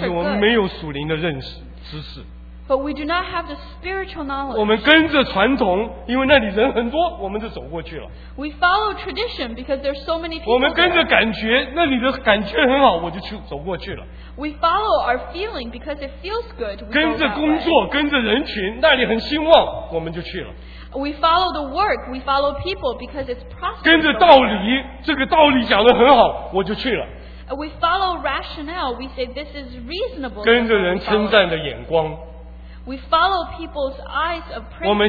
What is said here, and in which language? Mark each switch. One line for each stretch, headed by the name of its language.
Chinese: 但是我们没有属灵的认识知识。
English: But we do not have the spiritual knowledge.
Chinese: 我们跟着传统，因为那里人很多，我们就走过去了。
English: We follow tradition because there's so many people.
Chinese: 我们跟着感觉，那里的感觉很好，我就去走过去了。
English: We follow our feeling because it feels good.
Chinese: 跟着工作，跟着人群，那里很兴旺，我们就去了。
English: We follow the work. We follow people because it's prosperous.
Chinese: 跟着道理，这个道理讲得很好，我就去了。
English: We follow rationale. We say this is reasonable.
Chinese: 跟着人称赞的眼光。
English: We follow people's eyes of praise.